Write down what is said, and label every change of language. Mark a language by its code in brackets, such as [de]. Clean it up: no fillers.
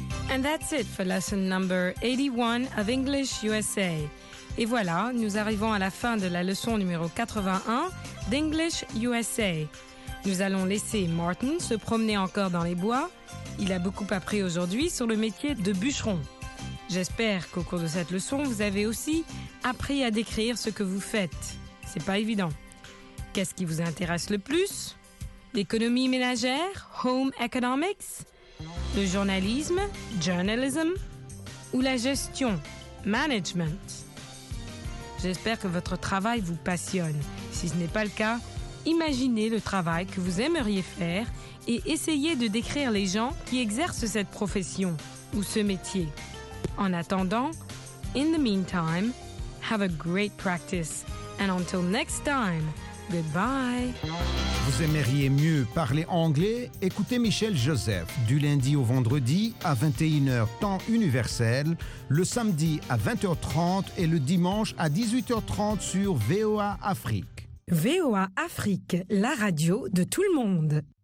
[en] And that's it for lesson number 81 of English USA. [fr] Et voilà, nous arrivons à la fin de la leçon numéro 81 d'English USA. Nous allons laisser Martin se promener encore dans les bois. Il a beaucoup appris aujourd'hui sur le métier de bûcheron. J'espère qu'au cours de cette leçon, vous avez aussi appris à décrire ce que vous faites. C'est pas évident. Qu'est-ce qui vous intéresse le plus? L'économie ménagère, home economics? Le journalisme, journalism? Ou la gestion, management? J'espère que votre travail vous passionne. Si ce n'est pas le cas, imaginez le travail que vous aimeriez faire et essayez de décrire les gens qui exercent cette profession ou ce métier. En attendant, [en] in the meantime, have a great practice. And until next time, goodbye. [fr] Vous aimeriez mieux parler anglais? Écoutez Michel Joseph du lundi au vendredi à 21h temps universel, le samedi à 20h30 et le dimanche à 18h30 sur VOA Afrique. VOA Afrique, la radio de tout le monde.